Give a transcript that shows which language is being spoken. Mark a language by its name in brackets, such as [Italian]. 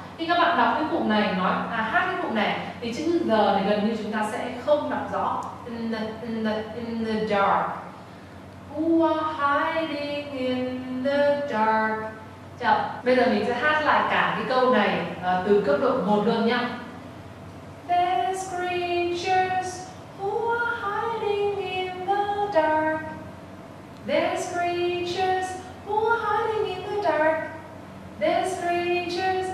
[Vietnamese] Khi các bạn đọc cái cụm này, nói à, hát cái cụm này, thì chữ G này gần như chúng ta sẽ không đọc rõ. [English] In the dark. Who are hiding in the dark? [Vietnamese] Chào, bây giờ mình sẽ hát lại cả cái câu này từ cấp độ 1 luôn nhá. [English] There's creatures who are hiding in the dark. There's creatures who are hiding in the dark. There's creatures.